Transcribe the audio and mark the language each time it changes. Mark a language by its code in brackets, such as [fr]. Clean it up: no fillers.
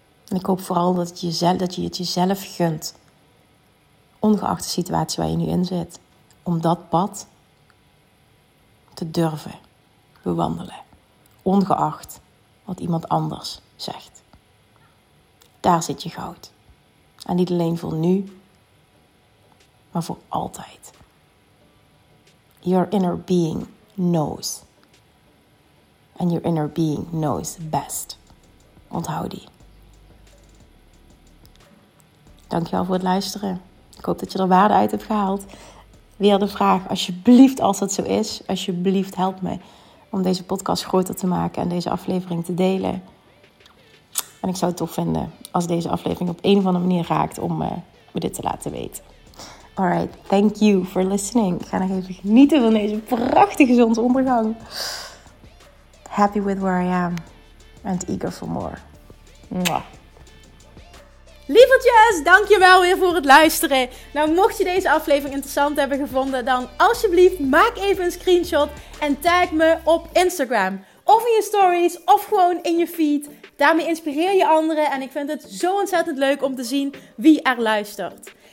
[nl] En ik hoop vooral dat je het jezelf gunt, ongeacht de situatie waar je nu in zit, om dat pad te durven bewandelen. Ongeacht wat iemand anders zegt. Daar zit je goud. En niet alleen voor nu, maar voor altijd. [en] Your inner being knows. And your inner being knows best. [nl] Onthoud die. Dankjewel voor het luisteren. Ik hoop dat je er waarde uit hebt gehaald. Weer de vraag, alsjeblieft als dat zo is, alsjeblieft help me om deze podcast groter te maken en deze aflevering te delen. En ik zou het tof vinden als deze aflevering op een of andere manier raakt om me dit te laten weten. [en] Alright, thank you for listening. [nl] Ik ga nog even genieten van deze prachtige zonsondergang. [en] Happy with where I am and eager for more. Mwah. [nl] Lievertjes, dankjewel weer voor het luisteren. Nou, mocht je deze aflevering interessant hebben gevonden, dan alsjeblieft maak even een screenshot en tag me op Instagram. Of in je stories, of gewoon in je feed. Daarmee inspireer je anderen en ik vind het zo ontzettend leuk om te zien wie er luistert.